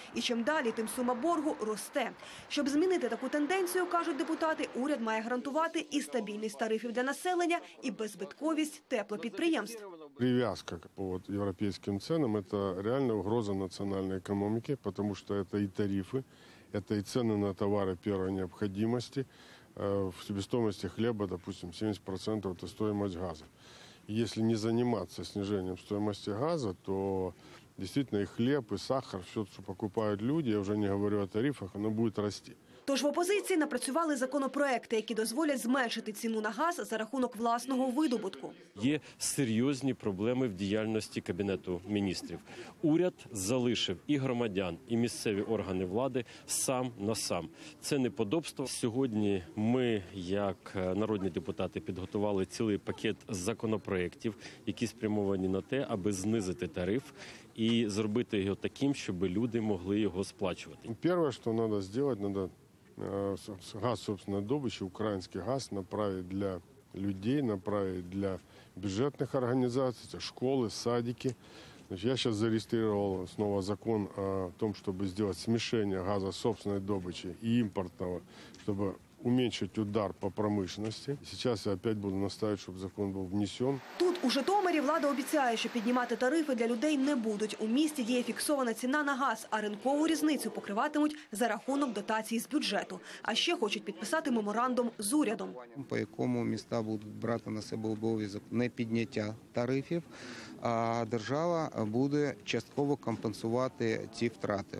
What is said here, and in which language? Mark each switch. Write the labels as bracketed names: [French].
[Ukrainian] І чим далі, тим сума боргу росте. Щоб змінити таку тенденцію, кажуть депутати, уряд має гарантувати і стабільність тарифів для населення, і беззбитковість теплопідприємств. Прив'язка по європейським цінам – це реальна загроза національної економіки, тому що це і тарифи. [Russian] Это и цены на товары первой необходимости, в себестоимости хлеба, допустим, 70% это стоимость газа. Если не заниматься снижением стоимости газа, то действительно и хлеб, и сахар, все, что покупают люди, я уже не говорю о тарифах, оно будет расти. [Ukrainian] Тож в опозиції напрацювали законопроекти, які дозволять зменшити ціну на газ за рахунок власного видобутку. Є серйозні проблеми в діяльності Кабінету міністрів. Уряд залишив і громадян, і місцеві органи влади сам на сам. Це неподобство. Сьогодні ми, як народні депутати, підготували цілий пакет законопроєктів, які спрямовані на те, аби знизити тариф і зробити його таким, щоб люди могли його сплачувати. Перше, що треба зробити, треба газ, [Russian] собственно, добычи, украинский газ направить для людей, направить для бюджетных организаций, это школы, садики. Значит, я сейчас зарегистрировал снова закон о том, чтобы сделать смешение газа собственной добычи и импортного, чтобы уменьшить удар по промышленности. Сейчас я опять буду настаивать, чтобы закон был внесен. [Ukrainian] Тут, у Житомирі, влада обіцяє, що піднімати тарифи для людей не будуть. У місті діє фіксована ціна на газ, а ринкову різницю покриватимуть за рахунок дотацій з бюджету. А ще хочуть підписати меморандум з урядом. По якому міста будуть брати на себе обов'язок не підняття тарифів, а держава буде частково компенсувати ці втрати.